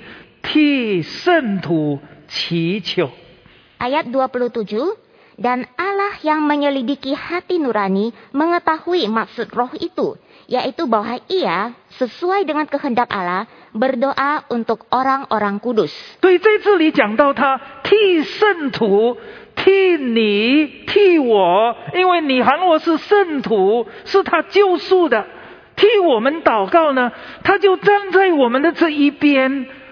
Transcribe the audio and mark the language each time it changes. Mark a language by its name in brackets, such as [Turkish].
[Chinese] 27节，监察人心的，晓得圣灵的意思，因为圣灵照着上帝的旨意替圣徒祈求。 [Indonesian] Ayat 27. Dan Allah yang menyelidiki hati nurani mengetahui maksud roh itu, yaitu bahwa ia sesuai dengan kehendak Allah berdoa untuk orang-orang kudus. [Chinese] 对，在这里讲到他替圣徒，替你，替我，因为你喊我是圣徒，是他救赎的，替我们祷告呢，他就站在我们的这一边。